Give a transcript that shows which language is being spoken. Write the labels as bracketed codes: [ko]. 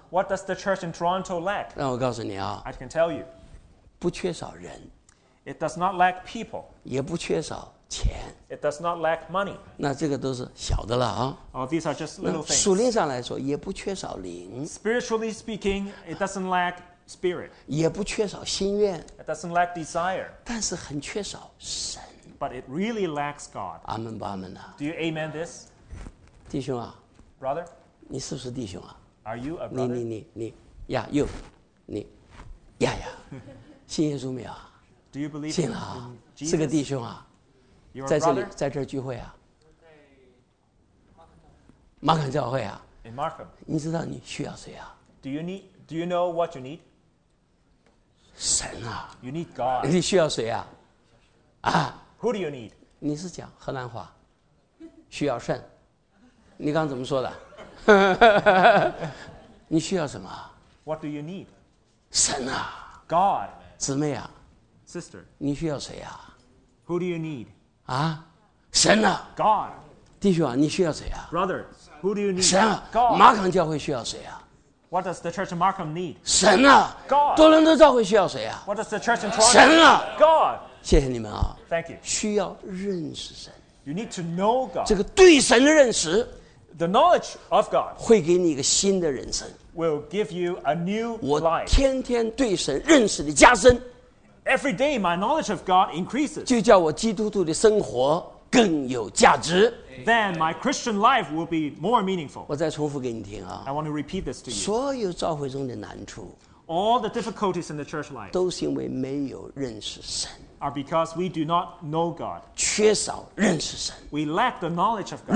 [en] What does the church in Toronto lack? [zh] 让我告诉你啊 [en] I can tell you. [zh] 不缺少人 [en] It does not lack people. [zh] 也不缺少钱。 [en] It does not lack money. [zh] 那这个都是小的了啊。 [en] Oh, these are just little things. [zh] 属灵上来说，也不缺少灵。 [en] Spiritually speaking, it doesn't lack spirit. [zh] 也不缺少心愿。 [en] It doesn't lack desire. [zh] 但是很缺少神。 [en] But it really lacks God. [zh] 阿们吧，阿们啊。 [en] Do you amen this? [zh] 弟兄啊。 [en] Brother? [zh] 你是不是弟兄啊 [en] ？Are you a brother? 你 ，Yeah, you, 你 ，Yeah, yeah. [zh] 信耶稣没有？ [en] Do you believe [zh] 信了啊，是个弟兄啊，在这里，在这聚会啊，马肯教会啊。 [en] In Markham, [zh] 你知道你需要谁啊 [en] ？Do you know what you need? [zh] 神啊 [en] ！You need God. [zh] 你需要谁啊？啊 [en] ？Who do you need? [zh] 你是讲河南话，需要肾。你刚怎么说的？你需要什么 [en] ？What do you need? [zh] 神啊 [en] ！God. [zh] 姊妹啊。 [en] Sister, [zh] 你需要谁啊 [en] ？Who do you need? [zh] 啊，神啊 [en] ！God, [zh] 弟兄啊，你需要谁啊 [en] ？Brother, who do you need? [zh] 神啊 [en] ！God, [zh] 马岗教会需要谁啊 [en] ？What does the church in Markham need? [zh] 神啊 [en] ！God, [zh] 多伦多教会需要谁啊 [en] ？What does the church in Toronto? [zh] 神啊 [en] ！God, [zh] 谢谢你们啊 [en] ！Thank you. [zh] 需要认识神。 [en] You need to know God. [zh] 这个对神的认识 [en] ，the knowledge of God, [zh] 会给你一个新的人生。 [en] Will give you a new life. [zh] 我天天对神认识的加深。 [en] Every day, my knowledge of God increases. [zh] 就叫我基督徒的生活更有价值。 [en] Then my Christian life will be more meaningful. [zh] 我再重复给你听啊。 [en] I want to repeat this to you. [zh] 所有教会中的难处 [en] ，all the difficulties in the church life， [zh] 都是因为没有认识神。 [en] Are because we do not know God. [zh] 缺少认识神。 [en] We lack the knowledge of God.